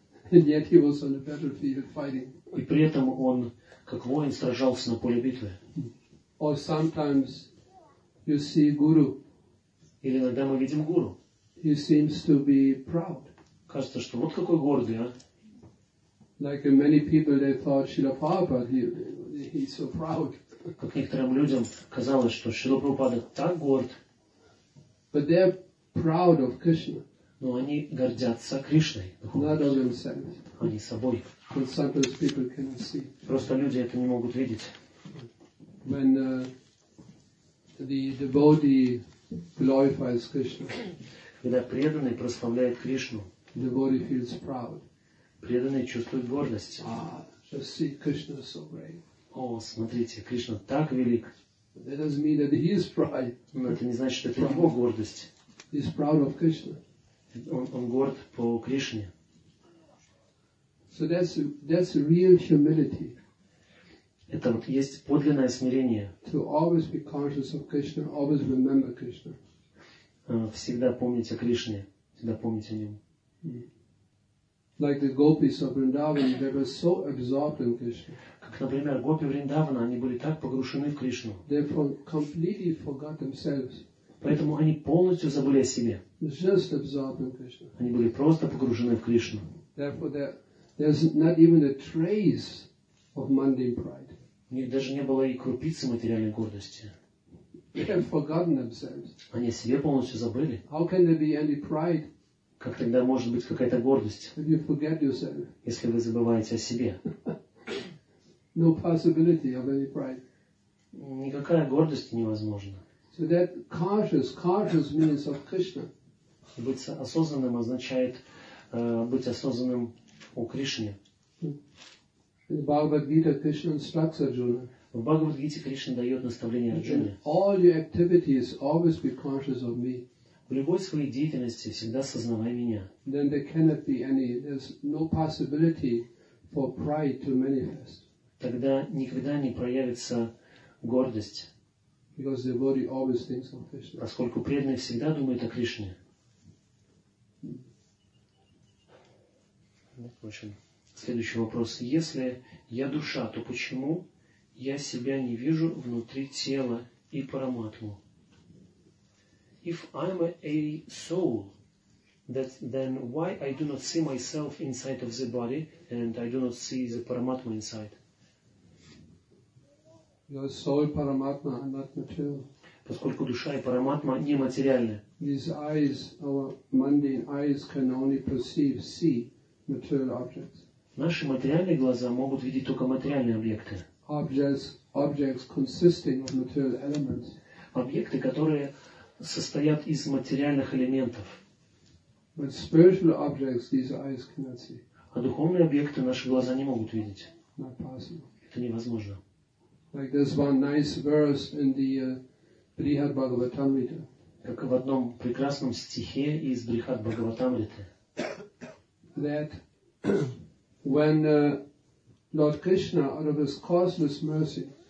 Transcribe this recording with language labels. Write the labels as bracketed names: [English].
[English] And yet he was on the battlefield fighting. [Russian] И при этом он, как воин, сражался на поле битвы. [English] Or sometimes you see guru. [Russian] Или иногда мы видим гуру. [English] He seems to be proud. [Russian] Кажется, что вот какой гордый, а? [English] Like many people, they thought Srila Prabhupada, he's so proud. [Russian] Как некоторым людям казалось, что Шрила Прабхупада так горд. [English] But they are proud of Krishna. [Russian] Но они гордятся Кришной. [English] Not of themselves. [Russian] Они собой. [English] But sometimes people cannot see. [Russian] Просто люди это не могут видеть. [English] When the devotee glorifies Krishna. [Russian] Когда преданный прославляет Кришну. [English] Devotee feels proud. [Russian] Преданный чувствует гордость. [English] Ah, just see Krishna so great. [Russian] О, смотрите, Кришна так велик. [English] That doesn't mean that he is pride. [Russian] Но это не значит, что это его гордость. [English] He's proud of Krishna. [Russian] Он горд по Кришне. [English] So that's real humility. [Russian] Это вот есть подлинное смирение. [English] To always be conscious of Krishna, always remember Krishna. [Russian] Всегда помнить о Кришне, всегда помнить о нем. [English] Like the gopis of Vrindavan, they were so absorbed in Krishna. [Russian] Как, например, гопи Вриндавана, они были так погружены в Кришну. [English] They completely forgot themselves. [Russian] Поэтому они полностью забыли о себе. [English] Just absorbed in Krishna. [Russian] Они были просто погружены в Кришну. [English] Therefore, there's not even a trace of mundane pride. [Russian] У них даже не было и крупицы материальной гордости. [English] They have forgotten themselves. [Russian] Они о себе полностью забыли. [English] How can there be any pride? [Russian] Как тогда может быть какая-то гордость, [English] you [Russian] если вы забываете о себе? [English] No possibility of any pride. [Russian] Никакая гордость невозможна. [English] So that conscious means of Krishna. [Russian] Быть осознанным означает быть осознанным о Кришне. [English] In Bhagavad Gita, Krishna instructs Arjuna. [Russian] В Бхагавад Гите Кришна дает наставление Арджуне. [English] All your activities always be conscious of me. [Russian] В любой своей деятельности всегда сознавай меня. [English] Then there cannot be any, there's no possibility for pride to manifest. [Russian] Тогда никогда не проявится гордость. [English] Because the body always thinks of Krishna. [Russian] Поскольку преданный всегда думает о Кришне. Впрочем, следующий вопрос. Если я душа, то почему я себя не вижу внутри тела и параматму? [English] If I'm a soul, that then why I do not see myself inside of the body and I do not see the Paramatma inside? Your soul Paramatma are not material. [Russian] Поскольку душа и Параматма не материальны. [English] These eyes, our mundane eyes, can only perceive, see material objects. [Russian] Наши материальные глаза могут видеть только материальные объекты. [English] Objects consisting of material elements. [Russian] Объекты, которые состоят из материальных элементов. [English] But spiritual objects, these eyes cannot see. [Russian] А духовные объекты наши глаза не могут видеть. [English] Not possible. [Russian] Это невозможно. [English] Like there's one nice verse in the Brihad Bhagavatamrita. [Russian] Как в одном прекрасном стихе из Брихад Бхагаватамриты. [English] That when Lord Krishna, out of his causeless mercy,